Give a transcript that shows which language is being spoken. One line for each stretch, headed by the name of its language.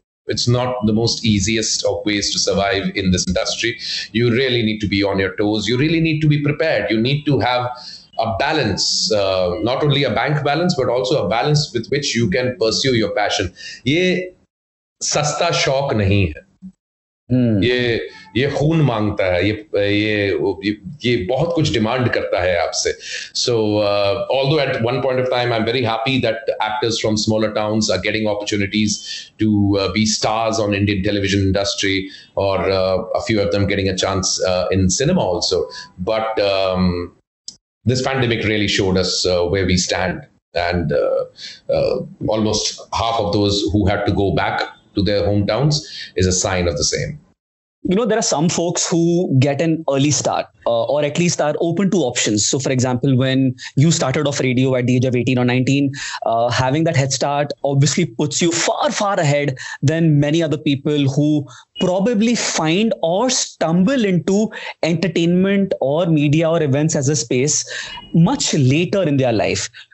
English: It's not the most easiest of ways to survive in this industry. You really need to be on your toes. You really need to be prepared. You need to have a balance, not only a bank balance, but also a balance with which you can pursue your passion.
Hindi: Ye sasta shauk nahi hai. Ye ये खून मांगता है, ये ये बहुत कुछ demand करता है आपसे.
English: So although at one point of time I am very happy that actors from smaller towns are getting opportunities to be stars on Indian television industry और a few of them getting a chance in cinema also. But this pandemic really showed us where we stand. And almost half of those who had to go back to their hometowns is a sign of the same. You know, there are some folks who get an early start or at least are open to options. So, for example, when you started off radio at the age of 18 or 19, having that head start obviously puts you far, far ahead than many other people who probably find or stumble into entertainment or media or events as a space much later in their life.